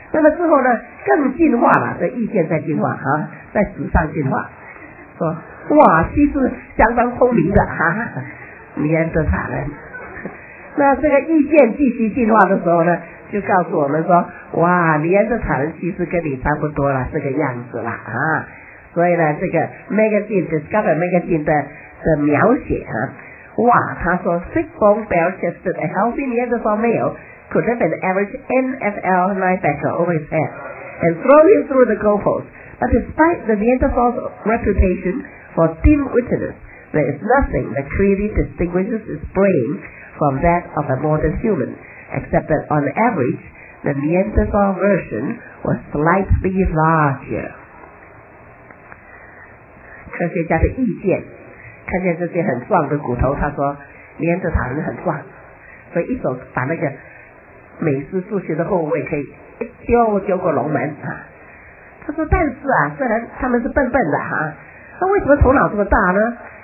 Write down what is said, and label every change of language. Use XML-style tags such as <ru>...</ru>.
<zh>那么之后呢，更进化了，这意见在进化啊，在纸上进化，说哇，其实相当聪明的啊，尼安德塔人。那这个意见继续进化的时候呢，就告诉我们说，哇，尼安德塔人其实跟你差不多了，这个样子了啊。所以呢，这个 magazine Discover magazine 的描写啊，哇，他说</zh> <en>thick bone, bare-chested, a healthy Neanderthal male could have an average NFL linebacker over his head and throw him through the goalpost. But despite the Neanderthal's reputation for dim-wittedness, there is nothing that clearly distinguishes his brain from that of a modern human, except that on average, the Neanderthal version was slightly larger.</en> <zh>科学家的意见，看见这些很壮的骨头，他说尼安德塔人很壮，所以一手把那个美式足球的后卫可以丢过龙门啊。他说但是啊，虽然他们是笨笨的啊，那为什么头脑这么大呢？</zh>